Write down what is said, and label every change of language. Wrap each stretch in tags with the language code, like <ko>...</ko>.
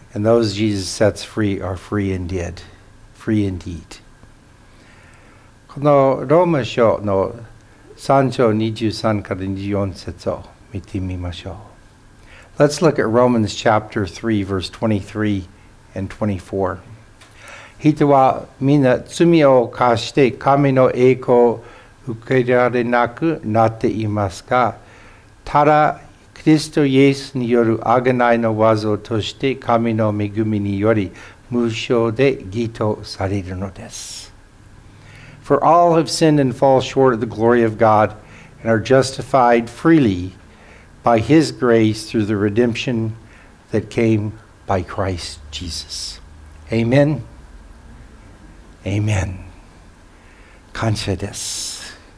<en>And those Jesus sets free are free indeed. Free indeed.</en> <ja>このローマ書の3章23から24節を見てみましょう。</ja> <en>Let's look at Romans chapter 3 verse 23 and 24.</en> <ja>人はみんな罪を犯して神の栄光を受けられなくなっていますが、ただキリストイエスによる贖いの技として神の恵みにより無償で義とされるのです。</ja> <en>For all have sinned and fall short of the glory of God and are justified freely by his grace through the redemption that came by Christ Jesus. Amen. Amen. Concedes.</en>